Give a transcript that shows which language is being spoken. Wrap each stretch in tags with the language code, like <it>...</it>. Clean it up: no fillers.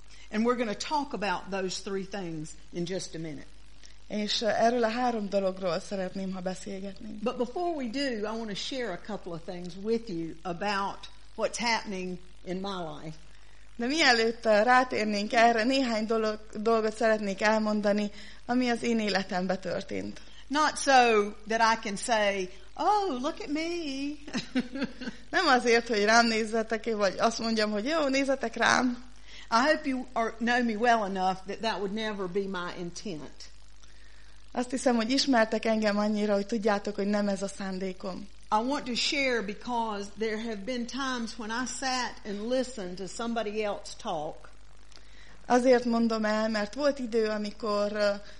<en>And we're going to talk about those three things in just a minute.</en> <hu>És erről a három dologról szeretném, ha beszélgetnénk.</hu> <en>But before we do, I want to share a couple of things with you about what's happening in my life.</en> <hu>De mielőtt rátérnénk erre, néhány dolgot szeretnék elmondani, ami az én életemben történt.</hu> <en>Not so that I can say, oh, look at me.</en> <hu>Nem azért, hogy rám nézzetek, vagy azt mondjam, hogy jó, nézzetek rám.</hu> <en>I hope you know me well enough that that would never be my intent.</en> <hu>Azt hiszem, hogy ismertek engem annyira, hogy tudjátok, hogy nem ez a szándékom.</hu> <en>I want to share because there have been times when I sat and listened to somebody else talk.</en> <hu>Azért mondom el, mert volt idő, amikor</hu>